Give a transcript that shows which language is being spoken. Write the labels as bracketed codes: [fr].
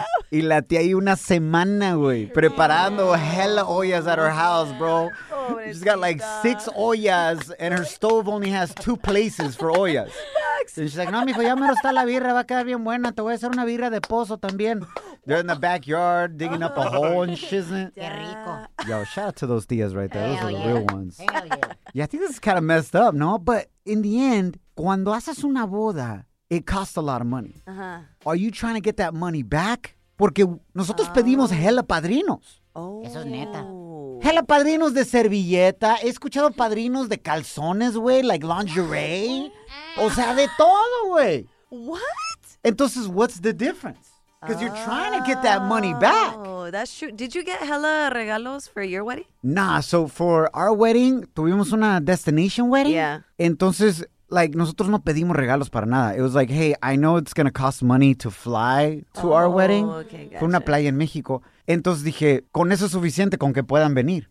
[es] Y la tía ahí una semana, güey, preparando hella ollas [en] at her house, bro. [es] Pobrecita. [en] She's got like 6 ollas and her stove only has 2 places for ollas. And she's like, [es] no, mijo, ya me está la birra, va a quedar bien buena. Te voy a hacer una birra de pozo también. [en] They're in the backyard digging up a hole and shizzing. [es] Qué rico. [en] Yo, shout out to those tías right there. Those are the real ones. Hell yeah. Yeah, I think this is kind of messed up, no? But in the end, [es] cuando haces una boda, [en] it costs a lot of money. Uh-huh. Are you trying to get that money back? [es] Porque nosotros pedimos hella padrinos. Oh. Eso es neta. Hella padrinos de servilleta. He escuchado padrinos de calzones, güey, [en] like lingerie. [es] O sea, de todo, güey. [en] What? Entonces, what's the difference? Because you're trying to get that money back. Oh, that's true. Did you get hella regalos for your wedding? Nah, so for our wedding, [es] tuvimos una [en] destination wedding. Yeah. [es] Entonces, like, nosotros no pedimos regalos para nada. [en] It was like, hey, I know it's going to cost money to fly to our wedding. Oh, okay, gotcha. [es] Fue una playa en México. Entonces dije, con eso es suficiente, con que puedan venir.